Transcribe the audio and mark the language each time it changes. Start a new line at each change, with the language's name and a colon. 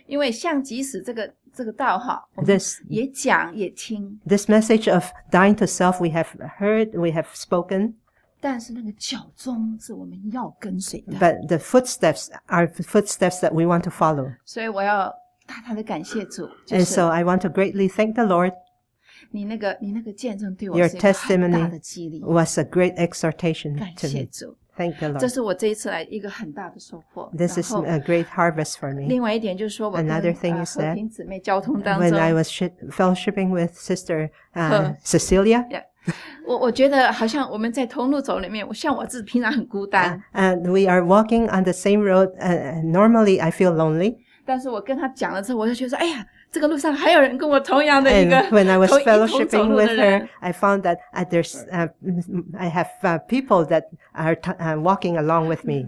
Chinese: 因为像即使这个道哈，我们也讲也听。
English: This message of dying to self, we have heard, we have spoken.
Chinese: 但是那个脚踪是我们要跟随的。
English: But the footsteps are the footsteps that we want to follow.
Chinese: 所以我要大大的感谢主。
English: And so I want to greatly thank the Lord.
Chinese: 你那个见证对我是一个很大的激励。
English: Your testimony was a great exhortation to me.
Chinese: 感谢主。
English: Thank the Lord.
Chinese: 这是我这一次来一个很大的收获。
English: This is a great harvest for me.
Chinese: 另外一点就是说我跟和平姊妹交通当中。
English: When I was fellowshipping with Sister Cecilia. Yeah.
Chinese: 我觉得好像我们在同路走里面像我自己平常很孤单。
English: And we are walking on the same road. Normally, I feel lonely.
Chinese: 但是我跟他讲了之后我就觉得说哎呀这个路上还有人跟我同样的一个
English: And when I was fellowshipping with her, I found that I have people that are walking along with me.